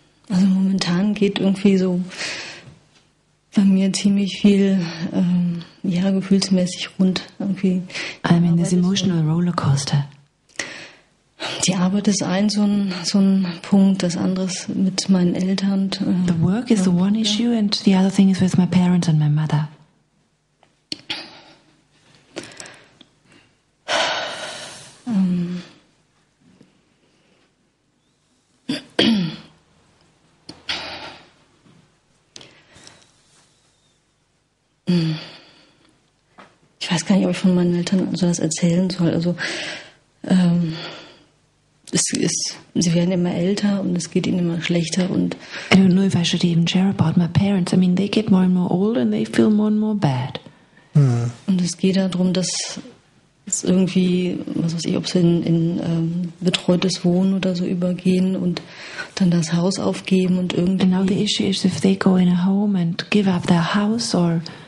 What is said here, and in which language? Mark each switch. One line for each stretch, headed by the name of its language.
German: Also momentan geht irgendwie so bei mir ziemlich viel ja, gefühlsmäßig rund. Irgendwie.
English: I'm in this emotional rollercoaster.
German: Die Arbeit ist ein so ein Punkt, das andere ist mit meinen Eltern.
English: The work is the one issue and the other thing is with my parents and my mother.
German: Ich weiß gar nicht, ob ich von meinen Eltern so was erzählen soll. Also, sie werden immer älter und es geht ihnen immer schlechter. Und
English: I don't know if I should even share about my parents. I mean, they get more and more old and they feel more and more bad.
German: Und es geht darum, dass es irgendwie, was weiß ich, ob sie in betreutes Wohnen oder so übergehen und dann das Haus aufgeben und irgendwie.
English: And now the issue is if they go in a home and give up their house or.